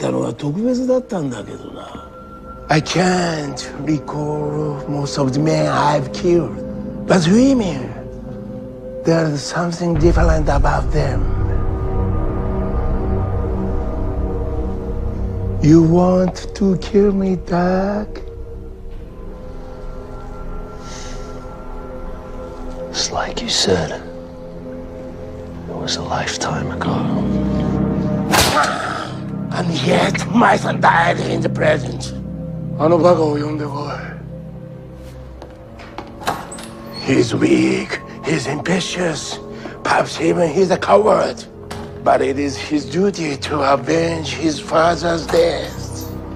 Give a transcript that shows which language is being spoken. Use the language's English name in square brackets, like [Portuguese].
[Japanese] あのガキを生かしておいたのは特別だったんだけどな。 [English] I can't recall most of the men I've killed. But women, there's something different about them. You want to kill me, Doug? It's like you said. It was a lifetime ago. And yet, my son died in the present. [Japanese] あのバカを呼んでこい。 [English] He's weak, he's impetuous, perhaps even he's a coward. But it is his duty to avenge his father's death.